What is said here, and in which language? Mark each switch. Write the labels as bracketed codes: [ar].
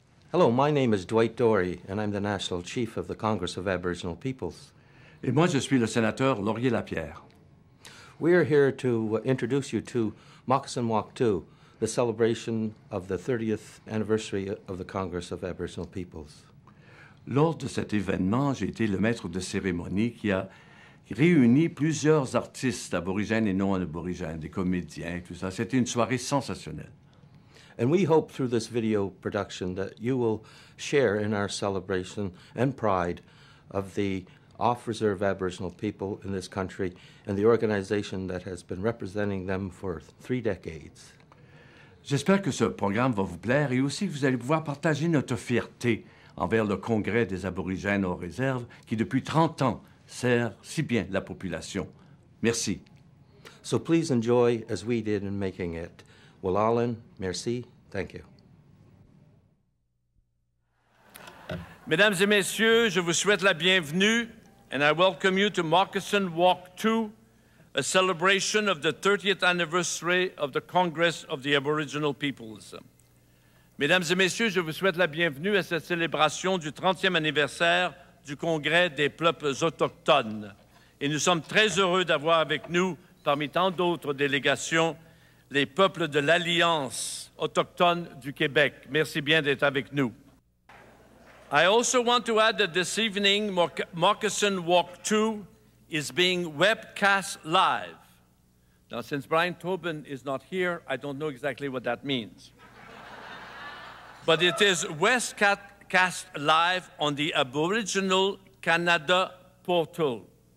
[en] Hello, my name is Dwight Dorey, and I'm the National Chief of the Congress of Aboriginal Peoples. [fr] Et moi, je suis le sénateur Laurier Lapierre. [en] We are here to introduce you to Moccasin Walk 2, the celebration of the 30th anniversary of the Congress of Aboriginal Peoples. [fr] Lors de cet événement, j'ai été le maître de cérémonie qui a réuni plusieurs artistes aborigènes et non aborigènes, des comédiens et tout ça. C'était une soirée sensationnelle. [en] And we hope through this video production that you will share in our celebration and pride of the off-reserve Aboriginal people in this country and the organization that has been representing them for 3 decades. [fr] J'espère que ce programme va vous plaire et aussi que vous allez pouvoir partager notre fierté envers le Congrès des Aborigènes aux réserves qui depuis 30 ans sert si bien la population. Merci. [en] So please enjoy as we did in making it. Wallalin, merci, thank you. [fr] Mesdames et messieurs, je vous souhaite la bienvenue, [en] and I welcome you to Moccasin Walk 2, a celebration of the 30th anniversary of the Congress of the Aboriginal Peoples. [fr] Mesdames et messieurs, je vous souhaite la bienvenue à cette célébration du 30e anniversaire du Congrès des peuples autochtones. Et nous sommes très heureux d'avoir avec nous, parmi tant d'autres délégations, les peuples de l'Alliance autochtone du Québec. Merci bien d'être avec nous. [en] I also want to add that this evening, Moccasin Walk 2 is being webcast live. Now, since Brian Tobin is not here, I don't know exactly what that means. But it is webcast live on the Aboriginal Canada portal.